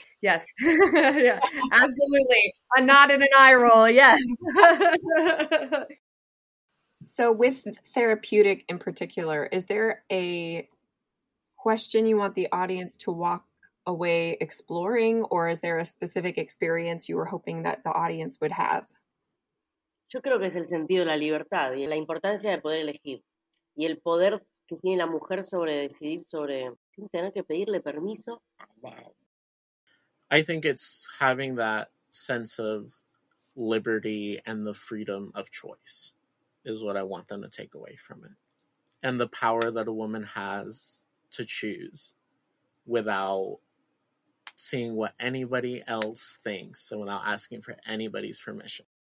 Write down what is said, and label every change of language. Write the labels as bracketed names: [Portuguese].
[English] Yes. Yeah. Absolutely. A nod and an eye roll. Yes. So with Therapeutic in particular, is there a question you want the audience to walk away exploring, or is there a specific experience you were hoping that the audience would have? [Spanish] Yo creo que es el sentido de la libertad y la importancia de poder elegir y el poder que tiene la mujer sobre decidir sobre sin tener que pedirle permiso. [English] I think it's having that sense of liberty and the freedom of choice is what I want them to take away from it. And the power that a woman has to choose without seeing what anybody else thinks and without asking for anybody's permission.